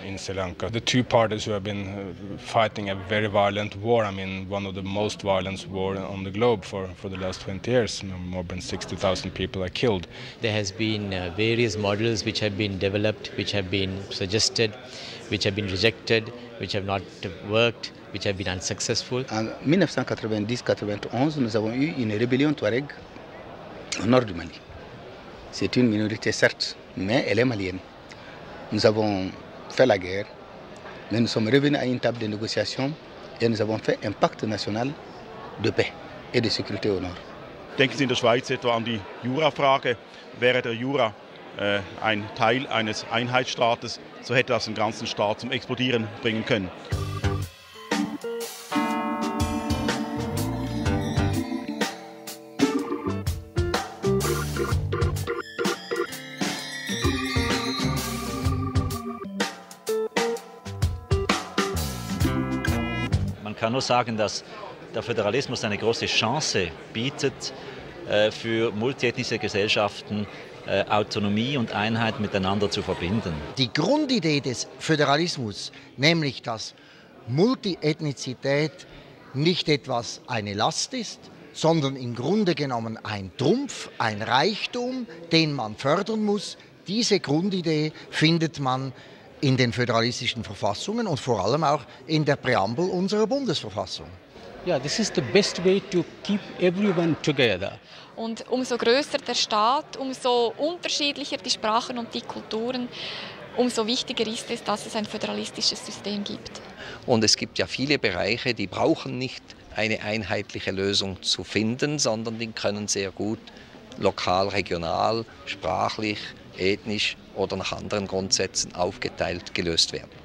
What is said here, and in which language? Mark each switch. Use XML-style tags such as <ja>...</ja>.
<en>In Sri Lanka, the two parties who have been fighting a very violent war, I mean, one of the most violent wars on the globe for the last 20 years, more than 60,000 people are killed. There has been various models which have been developed, which have been suggested, which have been rejected, which have not worked, which have been unsuccessful.</en> <fr>In 1990-91, nous avons eu une rébellion Touareg au nord du Mali. C'est une minorité, certes, mais elle est malienne. Nous avons fait la guerre, mais nous sommes revenus à une table de négociation et nous avons fait un pacte national de paix et de sécurité au nord.</fr> <de>Denken Sie in der Schweiz etwa an die Jura-Frage. Wäre der Jura ein Teil eines Einheitsstaates, so hätte das den ganzen Staat zum Explodieren bringen können. Ich kann nur sagen, dass der Föderalismus eine große Chance bietet, für multiethnische Gesellschaften Autonomie und Einheit miteinander zu verbinden. Die Grundidee des Föderalismus, nämlich dass Multiethnizität nicht etwas eine Last ist, sondern im Grunde genommen ein Trumpf, ein Reichtum, den man fördern muss, diese Grundidee findet man in den föderalistischen Verfassungen und vor allem auch in der Präambel unserer Bundesverfassung.</de> <en>Ja, this is the best way to keep everyone together.</en> <de>Und umso größer der Staat, umso unterschiedlicher die Sprachen und die Kulturen, umso wichtiger ist es, dass es ein föderalistisches System gibt. Und es gibt ja viele Bereiche, die brauchen nicht eine einheitliche Lösung zu finden, sondern die können sehr gut lokal, regional, sprachlich, ethnisch oder nach anderen Grundsätzen aufgeteilt gelöst werden.</de>